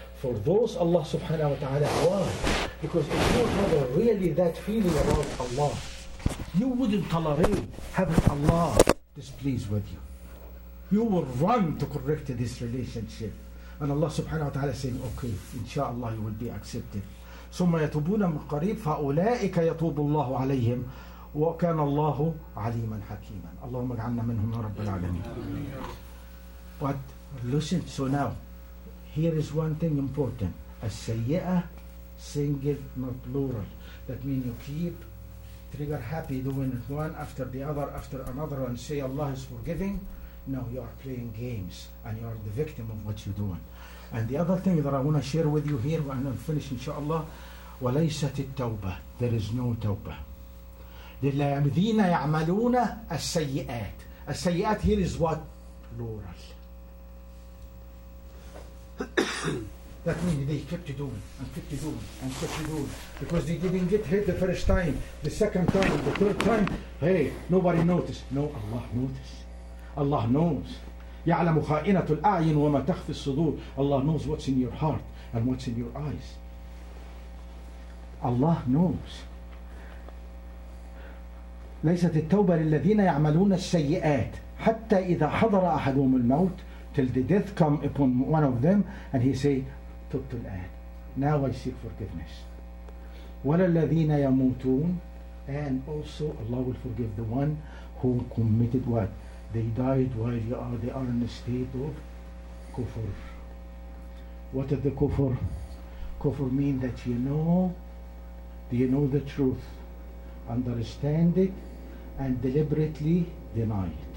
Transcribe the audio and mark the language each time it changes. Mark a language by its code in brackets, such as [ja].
[en] For those, Allah subhanahu wa ta'ala, why? Because if you have really that feeling about Allah, you wouldn't tolerate having Allah displeased with you. You will run to correct this relationship. And Allah subhanahu wa ta'ala is saying, okay, inshallah, you will be accepted. [ar] ثم يتوبون من قريب فأولئك يتوب الله عليهم وكان الله عليما حكيما. اللهم اجعلنا منهم رب العالمين. [en] But listen, so now here is one thing important. السيئة single not plural. That means you keep trigger happy doing it one after the other after another and say Allah is forgiving. No, you are playing games and you are the victim of what you're doing. And the other thing that I want to share with you here and I'll finish inshallah, [ar] وَلَيْسَتِ التَّوْبَةِ. [en] There is no tawbah. [ar] لِلَّذِينَ يَعْمَلُونَ السَّيِّئَاتِ. [en] السَّيِّئَاتِ here is what? Plural. That means they kept doing and kept doing and kept doing because they didn't get hit the first time, the second time, the third time. Hey, nobody noticed. No, Allah noticed. Allah knows. [ar] يعلم خائنة الأعين وما تخفي الصدور. [en] Allah knows what's in your heart and what's in your eyes. Allah knows. [ar] ليست التوبة للذين يعملون السيئات حتى إذا حضر أحدهم الموت [en] till the death come upon one of them and he say [ar] تبت الآن. [en] Now I seek forgiveness. [ar] ولا الذين يموتون [en] and also Allah will forgive the one who committed what? They died while they are in a state of kufr. What is the kufr? Kufr means that you know the truth, understand it, and deliberately deny it.